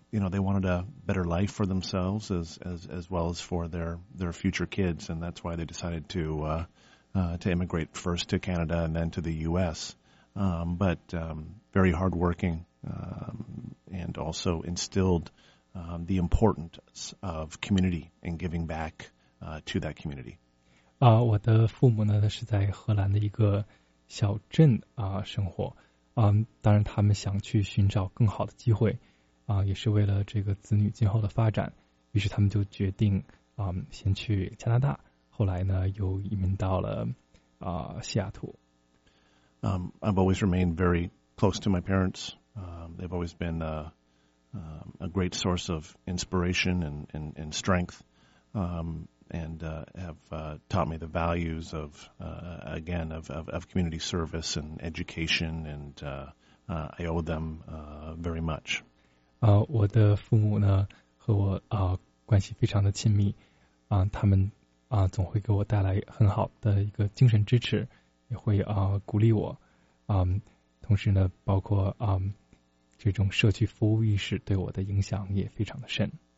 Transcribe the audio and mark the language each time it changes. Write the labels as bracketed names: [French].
[English] They wanted a better life for themselves as well as for their future kids, and that's why they decided to immigrate first to Canada and then to the U.S. Very hardworking, and also instilled the importance of community and giving back to that community. [Chinese] 我的父母呢，是在荷兰的一个小镇生活。当然他们想去寻找更好的机会，也是为了这个子女今后的发展，于是他们就决定先去加拿大，后来呢又移民到了西雅图。 [English] I've always remained very close to my parents. They've always been a great source of inspiration and strength. And have taught me the values of community service and education, and I owe them very much. [Chinese] 我的父母呢和我关系非常的亲密，他们总会给我带来很好的一个精神支持，也会鼓励我，同时呢，包括这种社区服务意识对我的影响也非常的深。